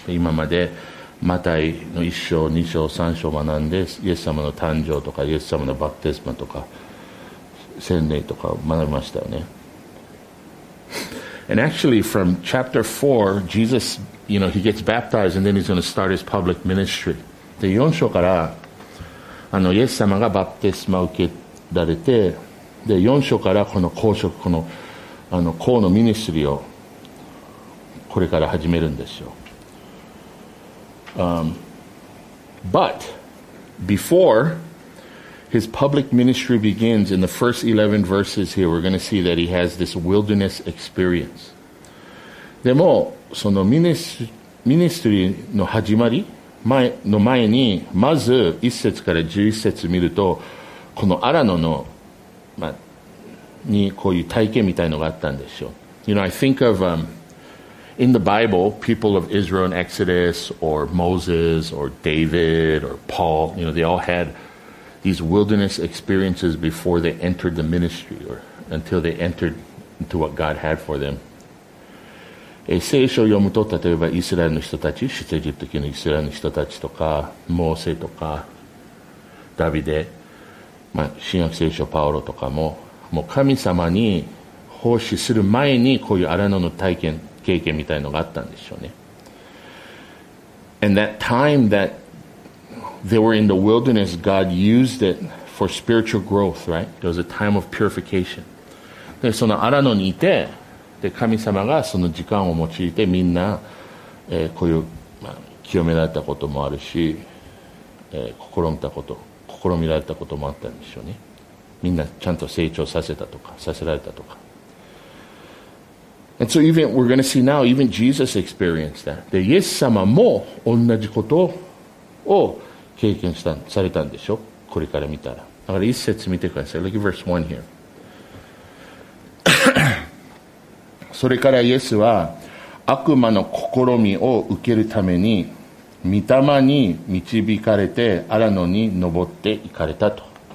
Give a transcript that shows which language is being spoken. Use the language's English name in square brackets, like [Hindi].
[Japanese] 今までマタイの1章、2章、3章学んで、イエス様の誕生とかイエス様のバプテスマとか洗礼とか学びましたよね。 [English] And actually, from chapter 4, Jesus, you know, he gets baptized and then he's going to start his public ministry. [Japanese] で、4章から、イエス様がバプテスマを受けられて、で、4章からこの公職、この、公のミニストリーをこれから始めるんですよ。 [English] But before his public ministry begins, in the first 11 verses here, we're going to see that he has this wilderness experience. [Japanese] でも、そのミニストリーの始まり前の前に、まず1節から11節見ると、このアラノの、まあ、にこういう体験みたいのがあったんでしょう。 [English] You know, I think of, in the Bible, people of Israel in Exodus or Moses or David or Paul, you know, they all had these wilderness experiences before they entered the ministry or until they entered into what God had for them. [Japanese] 聖書を読むと、例えばイスラエルの人たち、出エジプト記のイスラエルの人たちとか、モーセとか、ダビデ、まあ、新約聖書パウロとかも、もう神様に奉仕する前にこういう荒野の体験、経験みたいのがあったんでしょうね。 [English] And that time that they were in the wilderness, God used it for spiritual growth, right? It was a time of purification. [Japanese] で、そのアラノにいて、で、神様がその時間を用いてみんな、こういう、まあ、清められたこともあるし、試みられたこともあったんでしょうね。みんなちゃんと成長させたとか、させられたとか。 [English] And so even we're going to see now, even Jesus experienced that. [Japanese] で、イエス様も同じことを経験した、されたんでしょ、これから見たら。だから一節見てください。 [English] Look at verse 1 here. [Japanese] それからイエスは悪魔の試みを受けるために御霊に導かれてアラノに登っていかれたと。